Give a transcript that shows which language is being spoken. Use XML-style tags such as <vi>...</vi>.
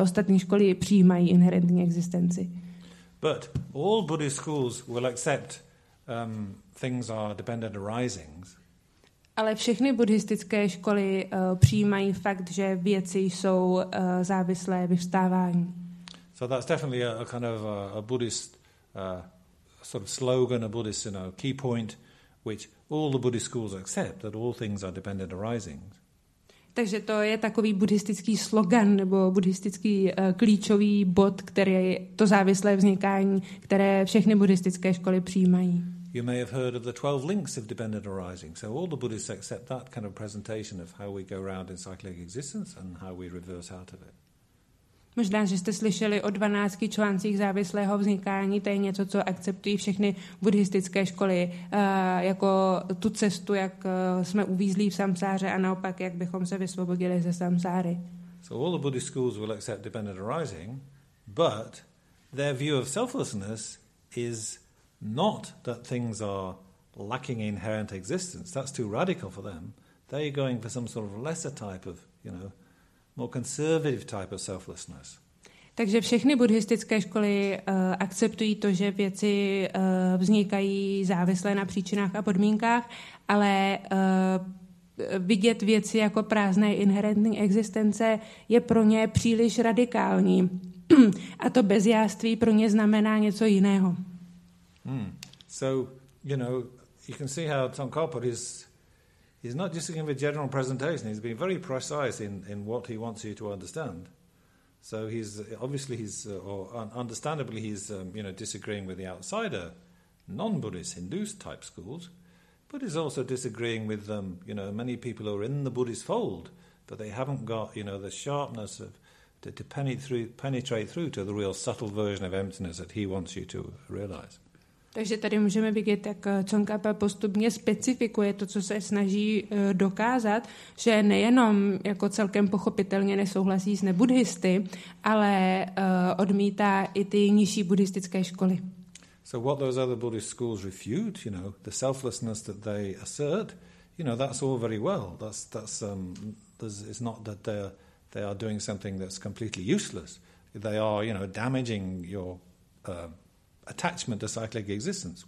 <cs>Ostatní školy přijímají inherentní existenci.</cs> <en>But all Buddhist schools will accept things are dependent arisings.</en> <cs>Ale všechny buddhistické školy přijímají fakt, že věci jsou závislé vyvstávání.</cs> <en>So that's definitely a kind of a Buddhist sort of slogan, a Buddhist, you know, key point, which all the Buddhist schools accept, that all things are dependent arisings.</en> <cs>Takže to je takový buddhistický slogan nebo buddhistický klíčový bod, který je to závislé vznikání, které všechny buddhistické školy přijímají.</cs> <en>You may have heard of the 12 links of dependent arising. So all the Buddhists accept that kind of presentation of how we go around in cyclic existence and how we reverse out of it.</en> <cs>Možná, že jste slyšeli o 12 článcích závislého vznikání, to je něco, co akceptují všechny buddhistické školy, jako tu cestu, jak jsme uvízlí v samsáře a naopak, jak bychom se vysvobodili ze samsáry.</cs> <en>So all the Buddhist schools will accept dependent arising, but their view of selflessness is not that things are lacking inherent existence. That's too radical for them. They're going for some sort of lesser type of, you know, more conservative type of selflessness.</en> <cs>Takže všechny buddhistické školy akceptují to, že věci vznikají závislé na příčinách a podmínkách, ale vidět věci jako prázdné inherentní existence je pro ně příliš radikální. A to bezjáství pro ně znamená něco jiného.</cs> <en>So, you know, you can see how Tsongkhapa is He's not just giving a general presentation. He's being very precise in what he wants you to understand. So he's obviously understandably disagreeing with the outsider, non-Buddhist Hindus type schools, but he's also disagreeing with many people who are in the Buddhist fold, but they haven't got the sharpness of to penetrate through to the real subtle version of emptiness that he wants you to realize.</en> <cs>Takže tady můžeme vidět, jak Tsongkhapa postupně specifikuje to, co se snaží dokázat, že nejenom jako celkem pochopitelně nesouhlasí s nebuddhisty, ale odmítá i ty nižší buddhistické školy.</cs> <en>So what those other Buddhist schools refute, the selflessness that they assert, that's all very well. It's not that they are doing something that's completely useless. They are, damaging your attachment to cyclic existence.</en>